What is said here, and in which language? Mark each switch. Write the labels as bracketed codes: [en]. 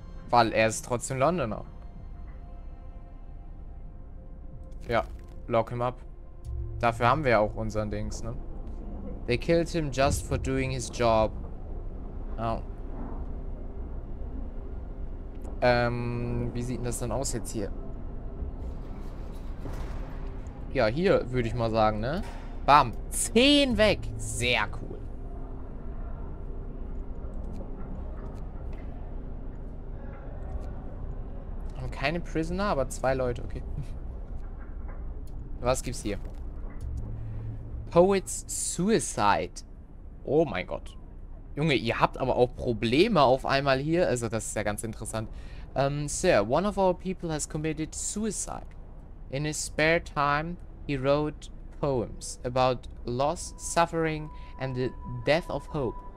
[de] Weil er ist trotzdem Londoner. Ja, [en] lock him up. [de] Dafür haben wir auch unseren Dings, ne? [en] They killed him just for doing his job. Oh. [de] Wie sieht denn das dann aus jetzt hier? Ja, hier würde ich mal sagen, ne? Bam. 10 weg. Sehr cool. Haben keine Prisoner, aber zwei Leute, okay. Was gibt's hier? Poets Suicide. Oh mein Gott. Junge, ihr habt aber auch Probleme auf einmal hier. Also, das ist ja ganz interessant. [en] Sir, one of our people has committed suicide. In his spare time, he wrote poems about loss, suffering and the death of hope.